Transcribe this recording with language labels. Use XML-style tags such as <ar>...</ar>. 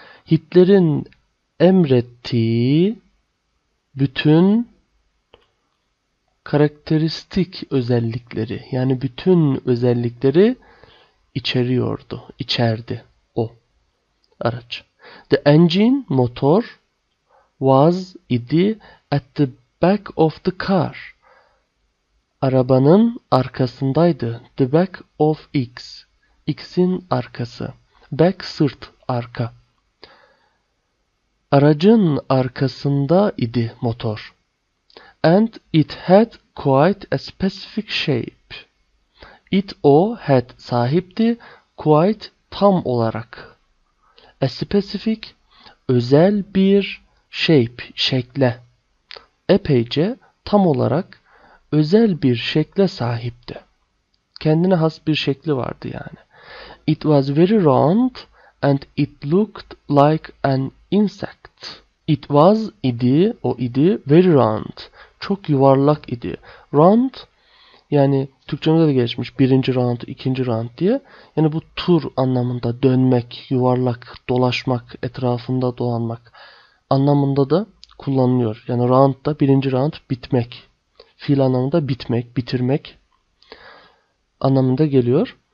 <tr>Hitler'in emrettiği bütün karakteristik özellikleri yani bütün özellikleri içeriyordu, içerdi o araç.</tr> <en>The engine motor was idi at the back of the car.</en> <tr>Arabanın arkasındaydı.</tr> <en>The back of X.</en> <tr>X'in arkası. Back sırt arka. Aracın arkasında idi motor.</tr> <en>And it had quite a specific shape.</en> <tr>It o had sahipti quite tam olarak.</tr> <en>A specific</en> <tr>özel bir</tr> <en>shape şekle.</en> <tr>Epeyce tam olarak özel bir şekle sahipti. Kendine has bir şekli vardı yani.</tr> <en>It was very round and it looked like an insect. It was</en> <tr>idi, o idi,</tr> <en>very round.</en> <tr>Çok yuvarlak idi. Round, yani Türkçemizde de geçmiş birinci round, ikinci round diye. Yani bu tur anlamında dönmek, yuvarlak, dolaşmak, etrafında dolanmak anlamında da kullanılıyor. Yani round da birinci round bitmek. Fiil anlamında bitmek, bitirmek anlamında geliyor.</tr>